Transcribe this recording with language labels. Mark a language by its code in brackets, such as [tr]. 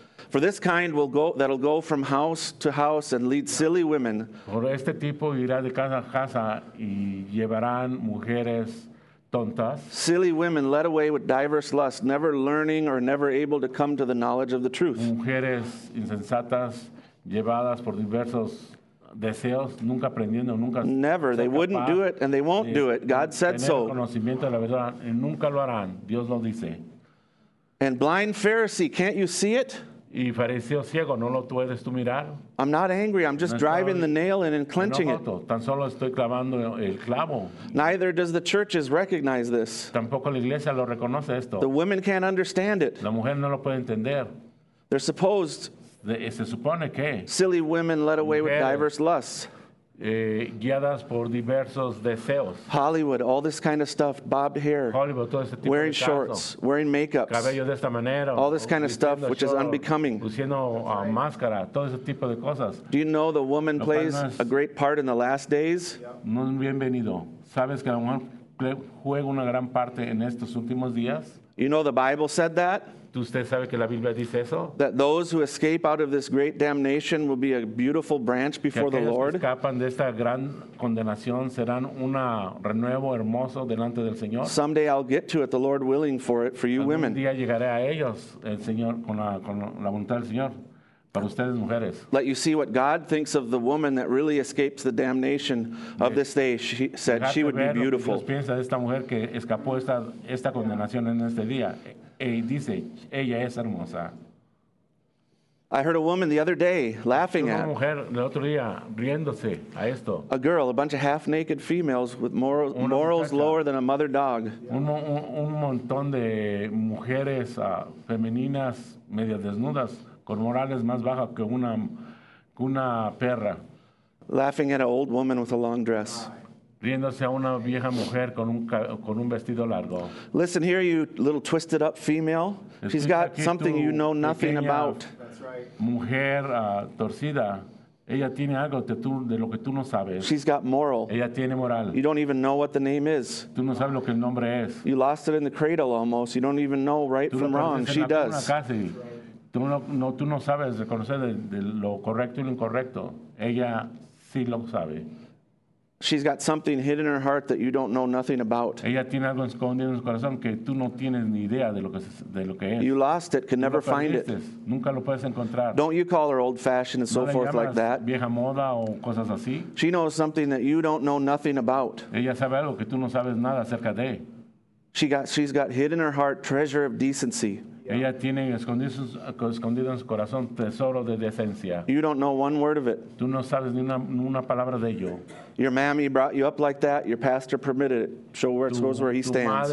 [en] For this kind will go, that'll go from house to house and lead silly women. [es] Por este tipo irá de casa a casa y llevarán mujeres. [en] Silly women led away with diverse lusts, never learning or never able to come to the knowledge of the truth. [es] Mujeres insensatas llevadas por diversos deseos, nunca aprendiendo, nunca. [en] Never, they wouldn't do it and they won't do it. God said so. [es] Tener conocimiento de la verdad y nunca lo harán. Dios lo dice. [en] And blind Pharisee, can't you see it? [es] Y fariseo ciego, ¿no lo puedes tú mirar? [en] I'm not angry, I'm just driving the nail in and clenching it. [es] Tan solo estoy clavando el clavo. [en] Neither does the churches recognize this. [es] Tampoco la iglesia lo reconoce esto. [en] The women can't understand it. [es] La mujer no lo puede entender. [en] They're supposed. [es] Se supone que. [en] Silly women led away with diverse lusts. [es] Guiadas por diversos deseos. [en] Hollywood, all this kind of stuff, bobbed hair, [es] Hollywood, todo ese tipo [en] wearing [es] de [en] shorts, wearing makeups, [es] cabello de esta manera, [en] all this kind of stuff, short, which is unbecoming. [es] Usando, máscara, todo ese tipo de cosas. [en] Do you know the woman plays a great part in the last days? [es] Yeah. No, bienvenido. ¿Sabes que la mujer juega una gran parte en estos últimos días? [en] You know the Bible said that? [es] ¿Usted sabe que la Biblia dice eso? [en] That those who escape out of this great damnation will be a beautiful branch before the Lord. [es] Que aquellos que escapan de esta gran condenación serán un renuevo hermoso delante del Señor. [en] Someday I'll get to it, the Lord willing for it, for you women. [es] Algún día llegaré a ellos, el Señor, con la voluntad del Señor. Para ustedes, mujeres. [en] Let you see what God thinks of the woman that really escapes the damnation of this day. She said she would be beautiful. [es] Dios piensa de esta mujer que escapó esta condenación en este día. Y dice, ella es hermosa. [en] I heard a woman the other day laughing at. [es] Una mujer el otro día riéndose a esto. [en] A girl, a bunch of half-naked females with morals lower than a mother dog. [es] Un montón de mujeres femeninas medio desnudas. Con morales más baja que una perra. [en] Laughing at an old woman with a long dress. [es] Riéndose a una vieja mujer con un vestido largo. [en] Listen here, you little twisted up female. She's got something you know nothing about. [es] Mujer torcida. Ella tiene algo de lo que tú no sabes. [en] She's got moral. [es] Ella tiene moral. [en] You don't even know what the name is. [es] Tú no sabes lo que el nombre es. [en] You lost it in the cradle almost. You don't even know right from wrong. She does. [es] Casi. Tú no sabes reconocer de lo correcto y lo incorrecto. Ella sí lo sabe. [en] She's got something hidden in her heart that you don't know nothing about. [es] Ella tiene algo escondido en su corazón que tú no tienes ni idea de lo que es. [en] You lost it, can never find it. [es] Nunca lo puedes encontrar. [en] Don't you call her old-fashioned and so forth like that? [es] Vieja moda o cosas así. [en] She knows something that you don't know nothing about. [es] Ella sabe algo que tú no sabes nada acerca de. [en] She's got hidden in her heart treasure of decency. [es] Ella tiene escondido en su corazón tesoro de decencia. [en] You don't know one word of it. [es] Tú no sabes ni una palabra de ello. [en] Your mammy brought you up like that. Your pastor permitted it. Show where it goes where he stands.